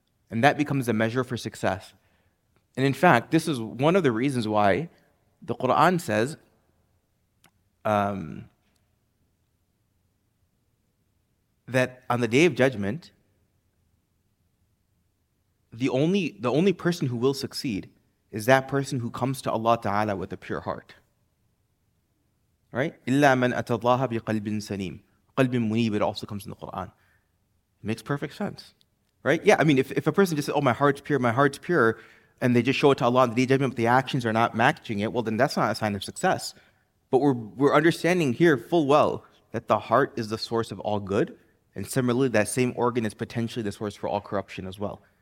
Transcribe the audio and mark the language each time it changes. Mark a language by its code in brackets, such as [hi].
[en] And that becomes a measure for success. And in fact, this is one of the reasons why the Quran says, that on the day of judgment, The only person who will succeed is that person who comes to Allah Ta'ala with a pure heart. Right? [ar] إِلَّا مَنْ أَتَى اللَّهَ بِقَلْبٍ سَنِيمٍ قَلْبٍ مُنِيبٍ, [en] it also comes in the Qur'an. It makes perfect sense. Right? Yeah, if a person just says, oh, my heart's pure, and they just show it to Allah on the day of judgment, but the actions are not matching it, well, then that's not a sign of success. But we're understanding here full well that the heart is the source of all good, and similarly, that same organ is potentially the source for all corruption as well.